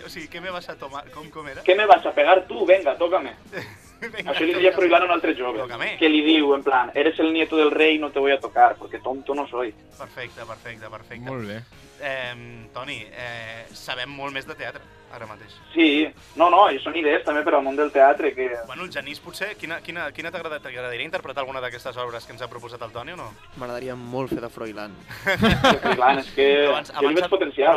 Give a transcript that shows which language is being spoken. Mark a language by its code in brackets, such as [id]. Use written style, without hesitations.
[ca] O sigui, [es] què me vas a tomar? [ca] Com era? [es] Què me vas a pegar tu? Venga, tócame. [ca] Venga, això li deia Froilán a un altre jove. [es] Tócame. [ca] Que li diu, en plan: [es] eres el nieto del rei, no te voy a tocar, porque tonto no soy. [ca] Perfecte, perfecte, perfecte. Molt bé. Toni, sabem molt més de teatre ara mateix. Sí, no, i són idees també per al món del teatre. Que... Bueno, el Genís, potser, quina t'agradaria interpretar alguna d'aquestes obres que ens ha proposat el Toni o no? M'agradaria molt fer de Froilán. Froilán, és que abans, jo li veig potencial.